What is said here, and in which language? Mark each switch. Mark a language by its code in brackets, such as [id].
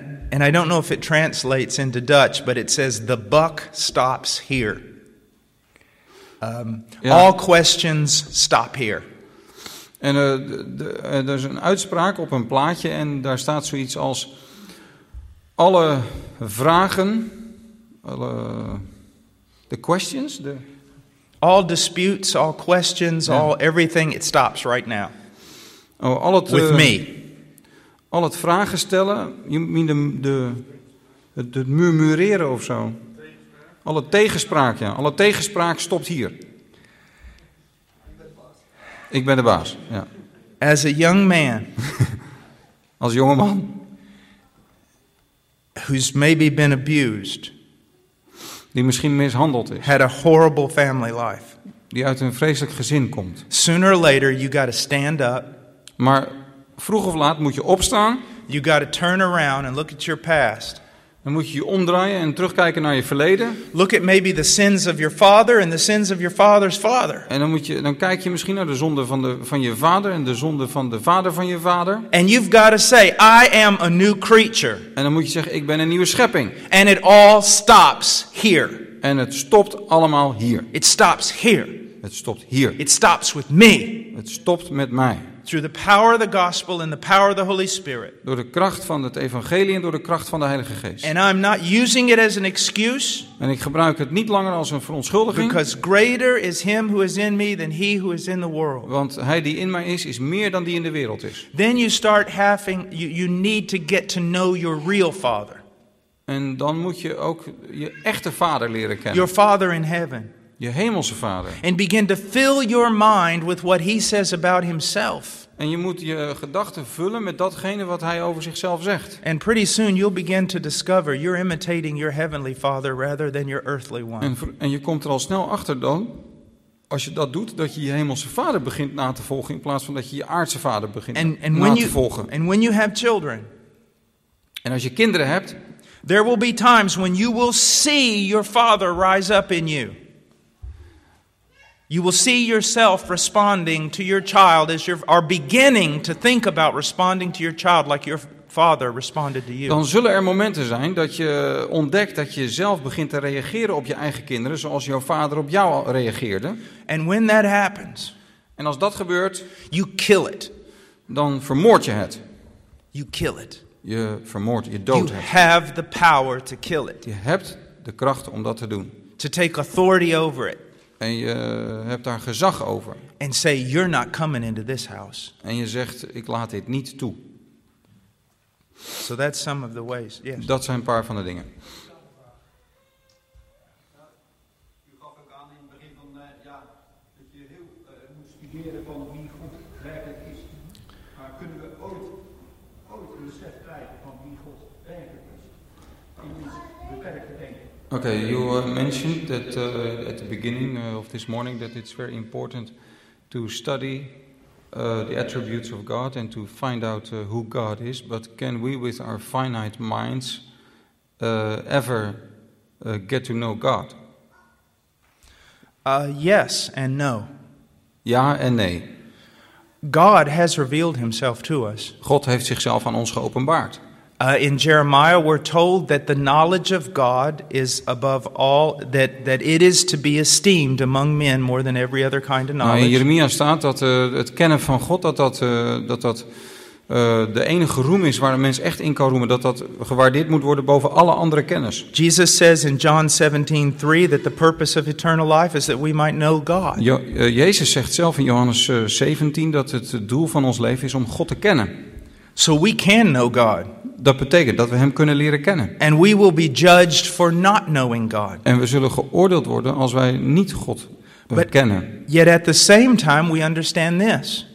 [en] And I don't know if it translates into Dutch, but it says the buck stops here. Ja. All questions stop here. [nl] En er is een uitspraak op een plaatje en daar staat zoiets als alle vragen, alle [en] the questions, the all disputes, all questions, yeah. All everything, it stops right now. Oh, all it with me. [nl] Al het vragen stellen, je meen het murmureren of zo. Alle tegenspraak, ja. Alle tegenspraak stopt hier. Ik ben de baas, ja. [en] As a young man. [nl] Als jonge man. [en] Who's maybe been abused. [nl] Die misschien mishandeld is. [en] Had a horrible family life. [nl] Die uit een vreselijk gezin komt. [en] Sooner or later, you gotta stand up. [nl] Maar vroeg of laat moet je opstaan. [en] You got to turn around and look at your past. [nl] Dan moet je je omdraaien en terugkijken naar je verleden. [en] Look at maybe the sins of your father and the sins of your father's father. [nl] En dan kijk je misschien naar de zonde van je vader en de zonde van de vader van je vader. [en] And you've got to say, I am a new creature. [nl] En dan moet je zeggen, ik ben een nieuwe schepping. [en] And it all stops here. [nl] En het stopt allemaal hier. [en] It stops here. [nl] Het stopt hier. [en] It stops with me. [nl] Het stopt met mij. [en] Through the power of the gospel and the power of the Holy Spirit. [nl] Door de kracht van het evangelie en door de kracht van de Heilige Geest. [en] And I'm not using it as an excuse. [nl] En ik gebruik het niet langer als een verontschuldiging. [en] Because greater is him who is in me than he who is in the world. [nl] Want hij die in mij is, is meer dan die in de wereld is. [en] Then you start having you need to get to know your real father. [nl] En dan moet je ook je echte vader leren kennen. [en] Your father in heaven. [nl] Je hemelse vader. [en] And begin to fill your mind with what he says about himself. [nl] En je moet je gedachten vullen met datgene wat hij over zichzelf zegt. [en] And pretty soon you'll begin to discover you're imitating your heavenly father rather than your earthly one. [nl] En je komt er al snel achter dan, als je dat doet, dat je je hemelse vader begint na te volgen in plaats van dat je je aardse vader begint na te volgen. [en] And when you have children. [nl] En als je kinderen hebt. [en] There will be times when you will see your father rise up in you. You will see yourself responding to your child as you are beginning to think about responding to your child like your father responded to you. [nl] Dan zullen er momenten zijn dat je ontdekt dat je zelf begint te reageren op je eigen kinderen zoals jouw vader op jou reageerde. [en] And when that happens, [nl] en als dat gebeurt, [en] you kill it. [nl] Dan vermoord je het. [en] You kill it. [nl] Je vermoord, je doodt [en] het. You have the power to kill it. [nl] Je hebt de kracht om dat te doen. [en] To take authority over it. [nl] En je hebt daar gezag over. [en] And say, you're not coming into this house. [nl] En je zegt, ik laat dit niet toe. [en] So that's some of the ways. Yes. [nl] Dat zijn een paar van de dingen. U gaf ook aan in het begin van, dat je heel moet studeren van wie God werkelijk is. Maar kunnen we ooit een besef krijgen van wie God werkelijk is? In ons beperkte denken. [en] Okay, you mentioned that at the beginning of this morning that it's very important to study the attributes of God and to find out who God is, but can we with our finite minds ever get to know God? Yes and no. [nl] Ja en nee. [en] God has revealed himself to us. [nl] God heeft zichzelf aan ons geopenbaard. [en] In Jeremiah we're told that the knowledge of God is above all that it is to be esteemed among men more than every other kind of knowledge. [nl] In Jeremia staat dat het kennen van God dat de enige roem is waar een mens echt in kan roemen, dat gewaardeerd moet worden boven alle andere kennis. [en] Jesus says in John 17:3 that the purpose of eternal life is that we might know God. [nl] Jezus zegt zelf in Johannes 17 dat het doel van ons leven is om God te kennen. [en] So we can know God. [nl] Dat betekent dat we hem kunnen leren kennen. [en] And we will be judged for not knowing God. [nl] En we zullen geoordeeld worden als wij niet God kennen. [en] Yet at the same time we understand this.